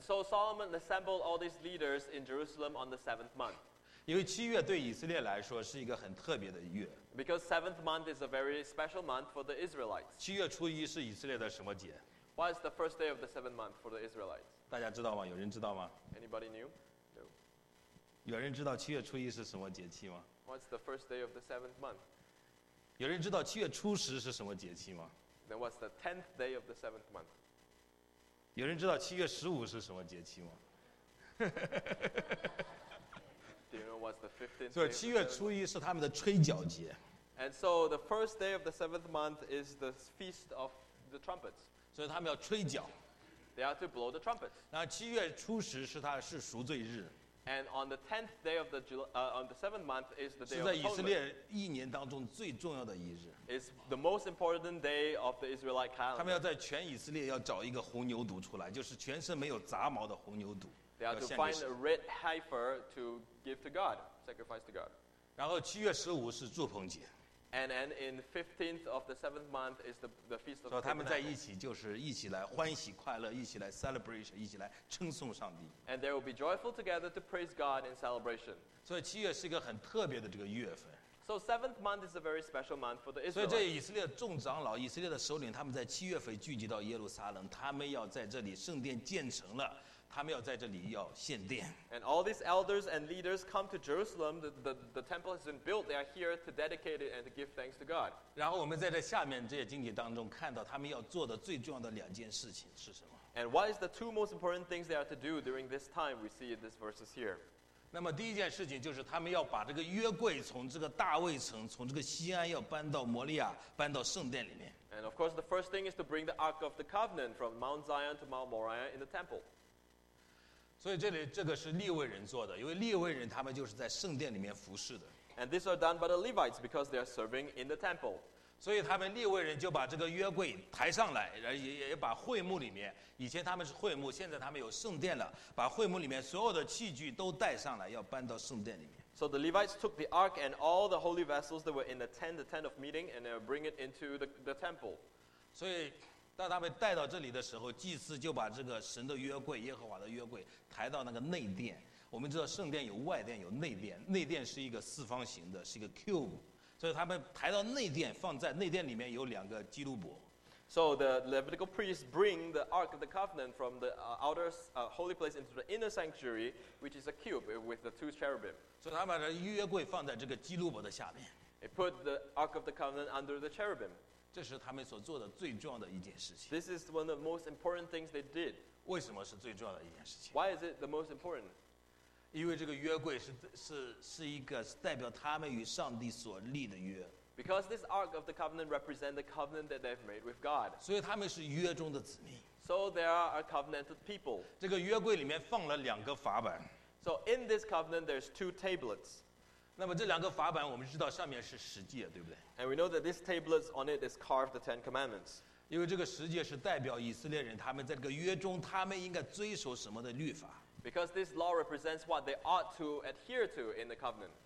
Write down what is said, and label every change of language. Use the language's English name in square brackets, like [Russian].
[English] so Solomon assembled all these leaders in Jerusalem on the seventh month. [Chinese] 因为七月对以色列来说是一个很特别的月。 [English] Because seventh month is a very special month for the Israelites. [Chinese] 七月初一是以色列的什么节？ [English] What is the first day of the seventh month for the Israelites? [Chinese] 大家知道吗？有人知道吗？ [English] Anybody knew? No. [Chinese] 有人知道七月初一是什么节气吗？ [English] What's the first day of the seventh month? [Chinese] 有人知道七月初十是什么节气吗？ [English] Then what's the 10th day of the 7th month? [Chinese] 有人知道七月十五是什么节气吗？ [English] Do you know what's the 15th day of the 7th？ [Chinese] 七月初一是他们的吹角节。 [English] And so the first day of the 7th month is the feast of the trumpets. [Chinese] 所以他们要吹角。 [English] They are to blow the trumpets. [Chinese] 那七月初十是赎罪日。 [English] And on the 10th day of the on the 7th month is the day of [Chinese] 是在以色列一年当中最重要的一日。 [English] It's the most important day of the Israelite calendar. [Chinese] 他们要在全以色列要找一个红牛犊出来，就是全身没有杂毛的红牛犊。 [English] They are to find a red heifer to give to God, sacrifice to God. [Chinese] 然后七月十五是祝棚节。 [English] And then in 15th of the 7th month is the feast of Tabernacles. [Chinese] 他们在一起就是一起来欢喜快乐，一起来 celebration， 一起来称颂上帝。 [English] And they will be joyful together to praise God in celebration. [Chinese] 所以七月是一个很特别的这个月份。 [English] So 7th month is a very special month for the Israelites. [Chinese] 所以这以色列众长老、以色列的首领，他们在七月份聚集到耶路撒冷，他们要在这里圣殿建成了。他们要在这里要献殿。 [English] And all these elders and leaders come to Jerusalem. The temple has been built. They are here to dedicate it and to give thanks to God. [Chinese] 然后我们在这下面这些经节当中看到他们要做的最重要的两件事情是什么 [English] ？And what is the two most important things they are to do during this time? We see in these verses here. [Chinese] 那么第一件事情就是他们要把这个约柜从这个大卫城，从这个锡安要搬到摩利亚，搬到圣殿里面。 [English] And of course, the first thing is to bring the Ark of the Covenant from Mount Zion to Mount Moriah in the temple. [Chinese] 所以这里这个是利未人做的，因为利未人他们就是在圣殿里面服侍的。 [English] And these are done by the Levites because they are serving in the temple. [Chinese] 所以他们利未人就把这个约柜抬上来，然后也把会幕里面，以前他们是会幕，现在他们有圣殿了，把会幕里面所有的器具都带上来，要搬到圣殿里面。 [English] So the Levites took the ark and all the holy vessels that were in the tent of meeting, and they bring it into the temple. [Chinese] 所以当他们带到这里的时候，祭司就把这个神的约柜、耶和华的约柜抬到那个内殿。我们知道圣殿有外殿，有内殿。内殿是一个四方形的，是一个 cube， 所以他们抬到内殿，放在内殿里面有两个基路伯。 [English] So the Levitical priests bring the Ark of the Covenant from the outer holy place into the inner sanctuary, which is a cube with the two cherubim. [Chinese] 所以他们把约柜放在这个基路伯的下面。 [English] They put the Ark of the Covenant under the cherubim. [Chinese] 这是他们所做的最重要的一件事情。 [English] This is one of the most important things they did. [Chinese] 为什么是最重要的一件事情 [English] ？Why is it the most important? [Chinese] 因为这个约柜是一个代表他们与上帝所立的约。 [English] Because this ark of the covenant represents the covenant that they've made with God. [Chinese] 所以他们是约中的子民。 [English] So they are a covenanted people. [Chinese] 这个约柜里面放了两个法版。 [English] So in this covenant, there's two tablets. [Chinese] 那么这两个法版我们知道上面是十诫对不对 [English] And we know that this tablet on it is carved the Ten Commandments. [Chinese] 因为这个十诫是代表以色列人他们在这个约中他们应该遵守什么的律法 [English] Because this law represents what they ought to adhere to in the covenant.